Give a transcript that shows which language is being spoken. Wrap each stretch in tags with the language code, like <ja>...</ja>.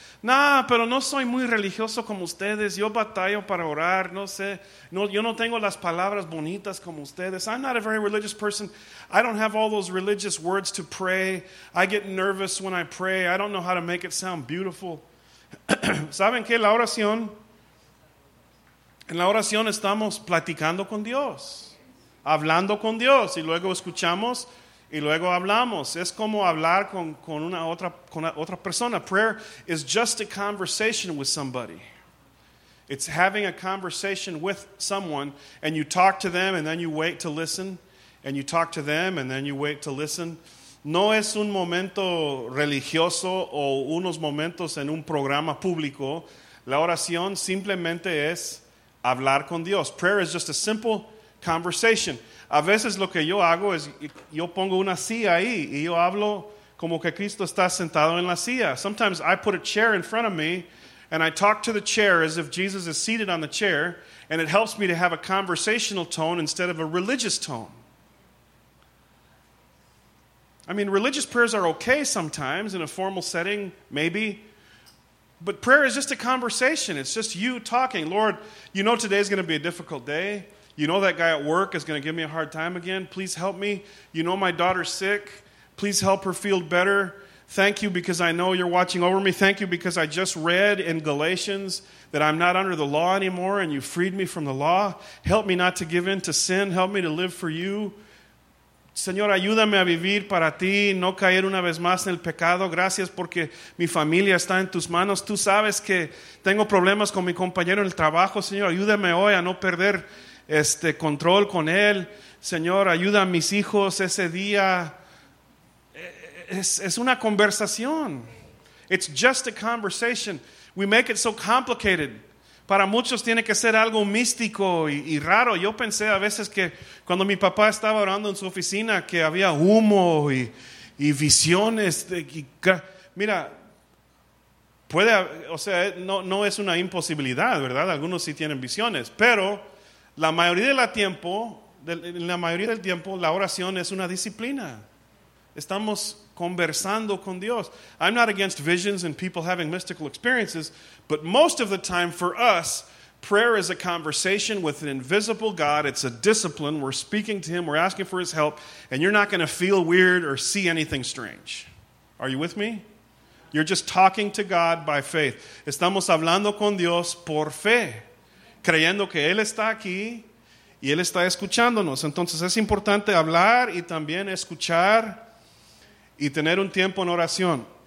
<es>Nah, pero no soy muy religioso como ustedes. Yo batallo para orar. No sé. No, yo no tengo las palabras bonitas como ustedes.</es> <en>I'm not a very religious person. I don't have all those religious words to pray. I get nervous when I pray. I don't know how to make it sound beautiful.</en> <es>¿Saben qué? La oración. En la oración estamos platicando con Dios. Hablando con Dios. Y luego escuchamos. Y luego hablamos. Es como hablar con otra persona.</es> <en>Prayer is just a conversation with somebody. It's having a conversation with someone. And you talk to them and then you wait to listen. And you talk to them and then you wait to listen.</en> <es>No es un momento religioso o unos momentos en un programa público. La oración simplemente es hablar con Dios.</es> <en>Prayer is just a simple conversation.</en> <es>A veces lo que yo hago es yo pongo una silla ahí y yo hablo como que Cristo está sentado en la silla.</es> <en>Sometimes I put a chair in front of me and I talk to the chair as if Jesus is seated on the chair, and it helps me to have a conversational tone instead of a religious tone. I mean, religious prayers are okay sometimes in a formal setting, maybe. But prayer is just a conversation. It's just you talking. Lord, you know today's going to be a difficult day. You know that guy at work is going to give me a hard time again. Please help me. You know my daughter's sick. Please help her feel better. Thank you because I know you're watching over me. Thank you because I just read in Galatians that I'm not under the law anymore and you freed me from the law. Help me not to give in to sin. Help me to live for you.</en> <es>Señor, ayúdame a vivir para ti, no caer una vez más en el pecado. Gracias porque mi familia está en tus manos. Tú sabes que tengo problemas con mi compañero en el trabajo. Señor, ayúdame hoy a no perder control con él. Señor, ayuda a mis hijos ese día. Es una conversación.</es> <en>It's just a conversation. We make it so complicated.</en> <es>Para muchos tiene que ser algo místico y raro. Yo pensé a veces que cuando mi papá estaba orando en su oficina que había humo y visiones. Mira, puede, o sea, no es una imposibilidad, ¿verdad? Algunos sí tienen visiones, pero la mayoría del tiempo, la oración es una disciplina. Estamos conversando con Dios.</es> <en>I'm not against visions and people having mystical experiences, but most of the time for us, prayer is a conversation with an invisible God. It's a discipline. We're speaking to him. We're asking for his help. And you're not going to feel weird or see anything strange. Are you with me? You're just talking to God by faith.</en> <es>Estamos hablando con Dios por fe, creyendo que él está aquí y él está escuchándonos. Entonces es importante hablar y también escuchar y tener un tiempo en oración.</es>